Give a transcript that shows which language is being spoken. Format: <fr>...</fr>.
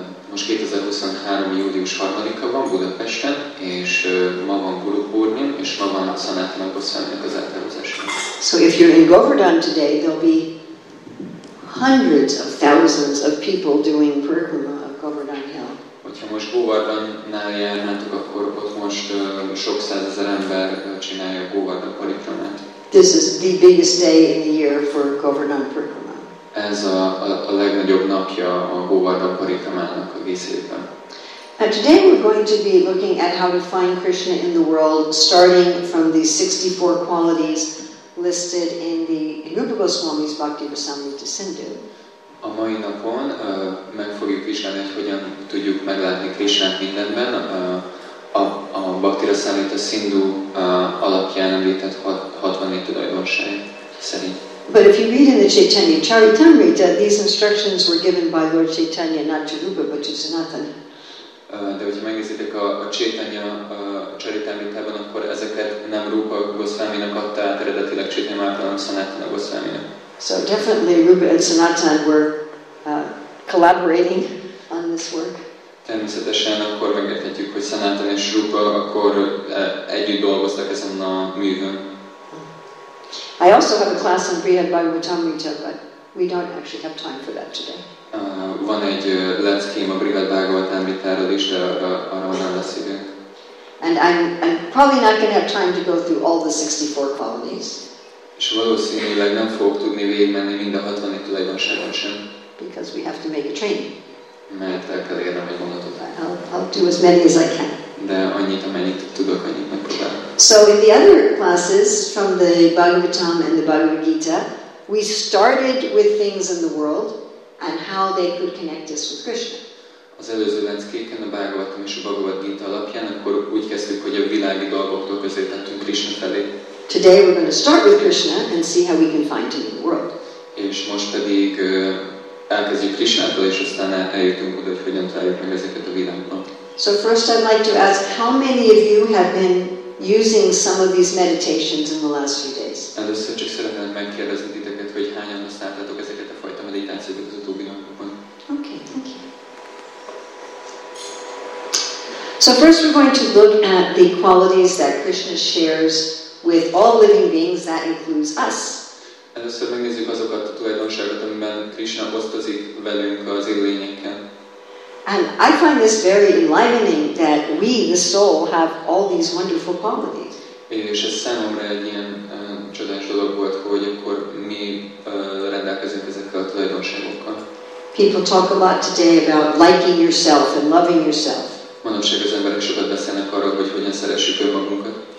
<hu>Most 2023. július 3-a van Budapesten, és ma van Guru Purnim, és ma van a Sanatana Goswami-nak az elterúzása.</hu> <en>So if you're in Govardhan today, there'll be hundreds of thousands of people doing parikrama of Govardhan Hill.</en> <hu>Hogyha most Govardhannál járnátok, akkor ott most sok százezer ember csinálja a Govardhan parikramát.</hu> <en>This is the biggest day in the year for Govardhan parikrama.</en> <hu>Ez a legnagyobb napja a Govardhan parikramának egész évben.</hu> <en>And today we're going to be looking at how to find Krishna in the world, starting from the 64 qualities listed in the Rupa Goswami's Bhakti Rasamrita Sindhu.</en> <hu>A mai napon meg fogjuk vizsgálni, hogy hogyan tudjuk meglátni Krishnát mindenben a Bhakti Rasamrita Sindhu alapján említett 64 tulajdonság szerint.</hu> <en>But if you read in the Chaitanya Charitamrita, these instructions were given by Lord Chaitanya not to Rupa but to Sanatana.</en> <hu>De hogyha megnézitek a Chaitanya Charitamritában, akkor ezeket nem Rupa Goswaminak adta át eredetileg Chaitanya Mahaprabhu, hanem Sanatana Goswaminak.</hu> <en>So definitely Rupa and Sanatana were collaborating on this work.</en> <hu>Természetesen akkor megérthetjük, hogy Sanatana és Rupa akkor együtt dolgoztak ezen a művön.</hu> <en>I also have a class on Brihad Bhagavatamrita, but we don't actually have time for that today.</en> <hu>Van egy leckém a Brihad Bhagavatamritáról is, de arra nem lesz idő.</hu> <en>And I'm probably not going to have time to go through all the 64 qualities.</en> <hu>És valószínűleg nem fogok tudni végigmenni mind a 64 tulajdonságon sem.</hu> <en>Because we have to make a training.</en> <hu>Mert el kell érnem egy vonatot.</hu> <en>I'll do as many as I can.</en> <hu>De annyit, amennyit tudok, annyit megpróbálok.</hu> <en>So in the other classes from the Bhagavatam and the Bhagavad Gita, we started with things in the world and how they could connect us with Krishna.</en> <hu>Az előző leckéken a Bhagavatam és a Bhagavad Gita alapján, akkor úgy kezdtük, hogy a világi dolgoktól közé tettünk Krishna felé.</hu> <en>Today we're going to start with Krishna and see how we can find him in the world.</en> <hu>És most pedig elkezdjük Krishnától, és aztán eljutunk oda, hogy hogyan találjuk meg ezeket a világban.</hu> <en>So first I'd like to ask, how many of you have been using some of these meditations in the last few days?</en> <hu>Először csak szeretném megkérdezni titeket, hogy hányan használtatok ezeket a fajta meditációkat az utóbbi napokban.</hu> <en>Okay, thank you. So first we're going to look at the qualities that Krishna shares with all living beings, that includes us.</en> <hu>Először megnézzük azokat a tulajdonságokat, amiben Krishna osztozik velünk az élőlényekkel.</hu> <en>And I find this very enlightening that we, the soul, have all these wonderful qualities.</en> <hu>És ez számomra egy ilyen csodás dolog volt, hogy akkor mi rendelkezünk ezekkel a tulajdonságokkal.</hu> <en>People talk a lot today about liking yourself and loving yourself.</en> <hu>Manapság az emberek sokat beszélnek arról, hogy hogyan szeressük önmagunkat.</hu>